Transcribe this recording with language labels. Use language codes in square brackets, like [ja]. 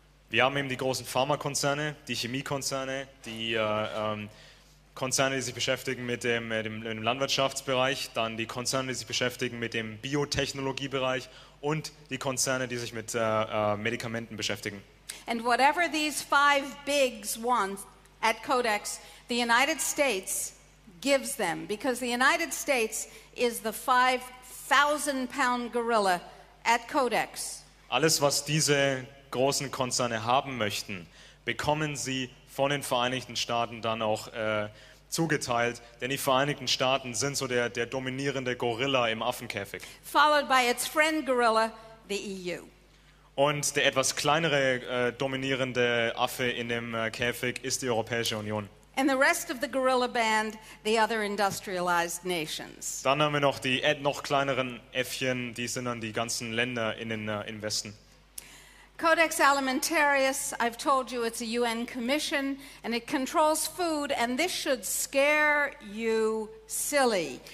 [de] Wir haben eben die großen Pharmakonzerne, die Chemiekonzerne, die Konzerne, die sich beschäftigen mit dem Landwirtschaftsbereich, dann die Konzerne, die sich beschäftigen mit dem Biotechnologiebereich und die Konzerne, die sich mit Medikamenten beschäftigen. [en] And whatever these five bigs want at Codex, the United States gives them, because the United States is the 5,000-pound gorilla at Codex. [de] Alles, was diese großen Konzerne haben möchten, bekommen sie von den Vereinigten Staaten dann auch zugeteilt, denn die Vereinigten Staaten sind so der dominierende Gorilla im Affenkäfig. [en] Followed by its friend gorilla, the EU. [de] Und der etwas kleinere dominierende Affe in dem Käfig ist die Europäische Union. [en] And the rest of the gorilla band, the other industrialized nations. [de] Dann haben wir noch die noch kleineren Äffchen, die sind dann die ganzen Länder in den im Westen. [en] Codex Alimentarius, I've told you it's a UN commission and it controls food and this should scare you silly.